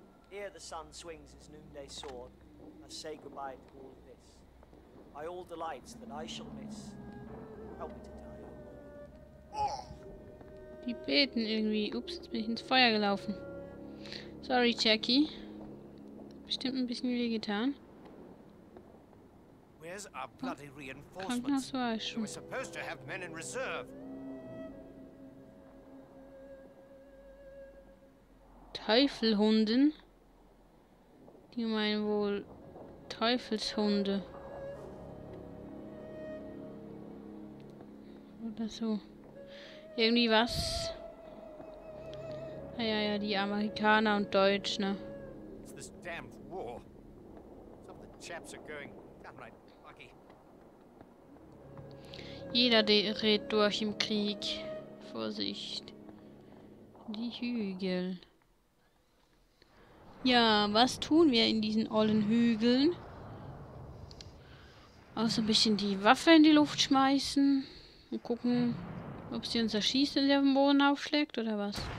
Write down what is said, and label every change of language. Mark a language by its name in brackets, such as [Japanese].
[English] Here the sun swings his noonday sword. I say goodbye to all of this. By all delights that I shall miss, help me to die. [German] Die beten irgendwie. Ups, jetzt bin ich ins Feuer gelaufen. Sorry, Jackie. Bestimmt ein bisschen weh getan. [English] Where's our bloody reinforcements? We're supposed to have men in reserve. [German] Teufelhunden? Die meinen wohl Teufelshunde. Oder so. Irgendwie was? Naja, ja, die Amerikaner und Deutsch, ne? [English] It's this damned war. Some of the chaps are going downright buggy. [German] Jeder dreht durch im Krieg. Vorsicht. Die Hügel. Ja, was tun wir in diesen ollen Hügeln? Außer ein bisschen die Waffe in die Luft schmeißen und gucken, ob sie uns erschießt, wenn sie auf den Boden aufschlägt oder was?